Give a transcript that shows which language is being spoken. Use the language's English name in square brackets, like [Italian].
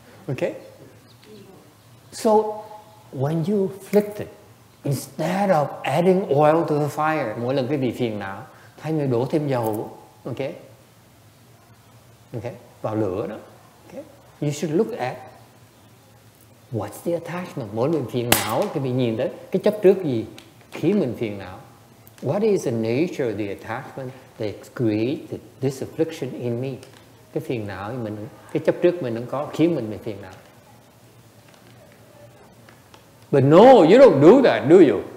[English] Okay? So, when you afflict it, instead of adding oil to the fire, [Vietnamese] mỗi lần quý vị phiền não, thay người đổ thêm dầu. [English] Okay? Okay? [Vietnamese] Vào lửa đó. [English] Okay? You should look at what's the attachment? [Vietnamese] Mỗi mình phiền não thì mình nhìn tới cái chấp trước gì khiến mình phiền não. [English] What is the nature of the attachment that created this affliction in me? [Vietnamese] Cái phiền não mình, cái chấp trước mình đang có khiến mình phiền não. [English] But no, you don't do that, do you?